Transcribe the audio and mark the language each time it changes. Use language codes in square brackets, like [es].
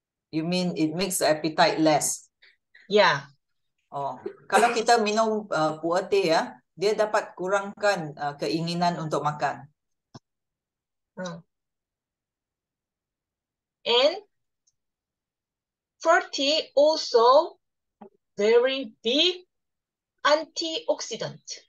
[en] You mean it makes the appetite less? Yeah. [ms] Oh, kalau kita minum puer teh ya, dia dapat kurangkan keinginan untuk makan. [en] And puer tea also very big antioxidant.